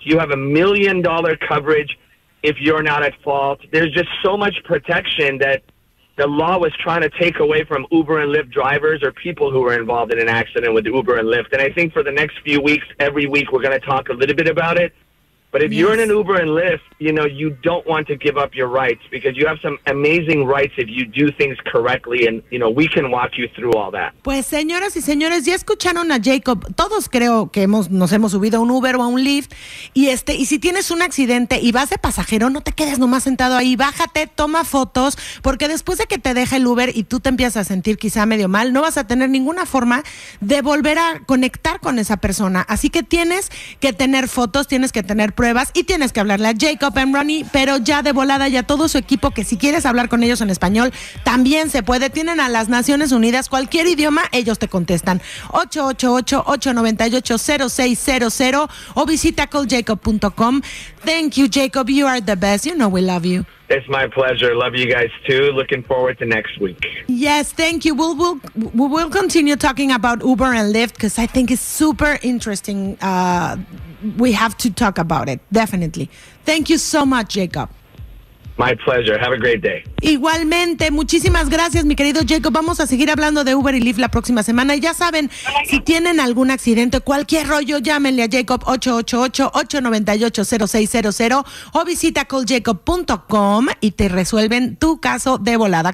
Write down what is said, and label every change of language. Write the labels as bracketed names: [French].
[English] You have $1 million coverage. If you're not at fault, there's just so much protection that the law was trying to take away from Uber and Lyft drivers or people who were involved in an accident with Uber and Lyft. And I think for the next few weeks, every week, we're going to talk a little bit about it. But if you're in an Uber and Lyft, you know, you don't want to give up your rights because you have some amazing rights if you do things correctly. And, you know, we can walk you through all that. [Spanish] Pues, señoras y señores, ya escucharon a Jacob. Todos creo que nos hemos subido a un Uber o a un Lyft. Y si tienes un accidente y vas de pasajero, no te quedes nomás sentado ahí. Bájate, toma fotos, porque después de que te deja el Uber y tú te empiezas a sentir quizá medio mal, no vas a tener ninguna forma de volver a conectar con esa persona. Así que tienes que tener fotos, tienes que tener pruebas. pruebas y tienes que hablarle a Jacob and Ronnie, pero ya de volada y a todo su equipo, que si quieres hablar con ellos en español, también se puede. Tienen a las Naciones Unidas, cualquier idioma, ellos te contestan. [English] 888-898-0600 [Spanish] o visita [English] calljacob.com. Thank you, Jacob. You are the best. You know we love you. It's my pleasure. Love you guys too. Looking forward to next week. Yes, thank you. We'll continue talking about Uber and Lyft because I think it's super interesting. We have to talk about it, definitely. Thank you so much, Jacob. My pleasure. Have a great day. [Spanish] Igualmente, muchísimas gracias, mi querido Jacob. Vamos a seguir hablando de Uber y Lyft la próxima semana. Y ya saben, si tienen algún accidente, cualquier rollo, llámenle a Jacob 888-898-0600 o visita calljacob.com y te resuelven tu caso de volada.